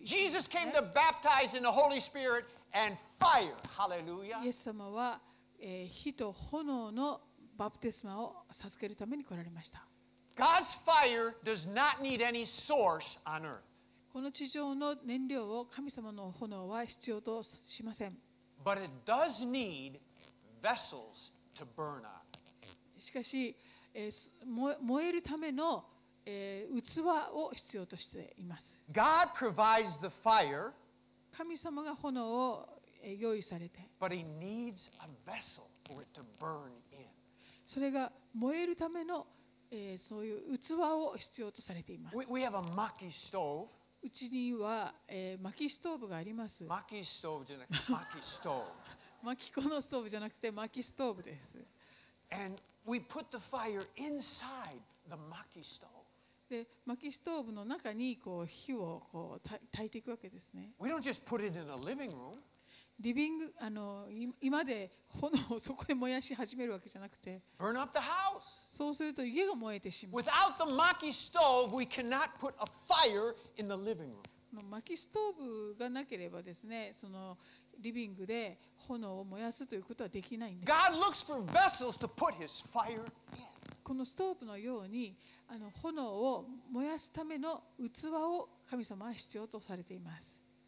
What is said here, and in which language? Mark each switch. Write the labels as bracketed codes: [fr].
[en] Jesus came to baptize in the Holy Spirit. And fire, hallelujah. [ja] イエス様は、火と炎のバプテスマを授けるために来られました。 [en] God's fire does not need any source on earth. [ja] この地上の燃料を神様の炎は必要としません。 [en] But it does need vessels to burn on. [ja] しかし、燃えるための、器を必要としています。 [en] God provides the fire. [ja] 神様が炎を用意されて。 [en] But he needs a vessel for it to burn in. [ja] それが燃えるための、そういう器を必要とされています。 [en] We have a maki stove. [ja] うちには、薪ストーブがあります。薪ストーブじゃなくて薪ストーブ。薪このストーブじゃなくて薪ストーブです。 [en] And we put the fire inside the 薪ストーブ。 [ja] で、薪ストーブの中にこう火をこう焚いていくわけですね。 [en] We don't just put it in a living room. [ja] リビング、あの、今で炎をそこで燃やし始めるわけじゃなくて。 [en] Burn up the house. [ja] そうすると家が燃えてしまう。 [en] Without the maki stove, we cannot put a fire in the living room. [ja] 薪ストーブがなければですね、そのリビングで炎を燃やすということはできないんです。 [en] God looks for vessels to put his fire in. [ja] このストーブのように、あの炎を燃やすための器を神様は必要とされています。